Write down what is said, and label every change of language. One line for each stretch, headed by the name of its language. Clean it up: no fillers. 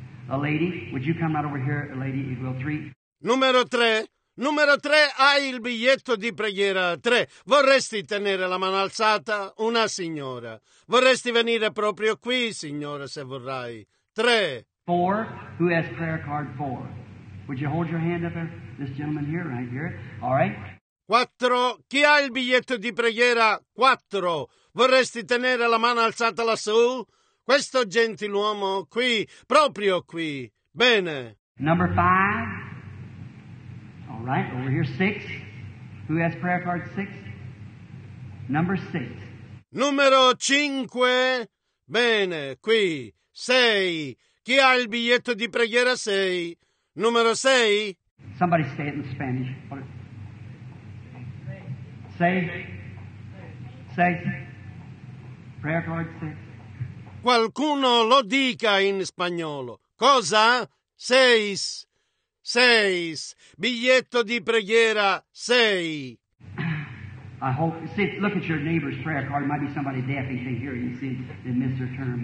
English: A lady, would you come out over here, a lady, if will 3?
Italian: Numero 3, hai il biglietto di preghiera 3, vorresti tenere la mano alzata? Una signora, vorresti venire proprio qui, signore, se vorrai?
English: 3. 4, who has prayer card 4? Would you hold your hand up there? This gentleman here, right here. All right.
Italian: 4. Chi ha il biglietto di preghiera 4? Vorresti tenere la mano alzata lassù? Questo gentiluomo qui, proprio qui. Bene.
English: Number 5. All right, over here, 6. Who has prayer card 6? Number 6.
Italian: Numero 5. Bene, qui. 6. Chi ha il biglietto di preghiera 6? Numero 6.
English: Somebody say it in Spanish. Say. 6. Prayer card 6.
Italian: Qualcuno lo dica in spagnolo. Cosa? 6. 6. Biglietto di preghiera 6.
English: I hope, see, look at your neighbor's prayer card. It might be somebody deaf. He can hear you and see they miss their turn.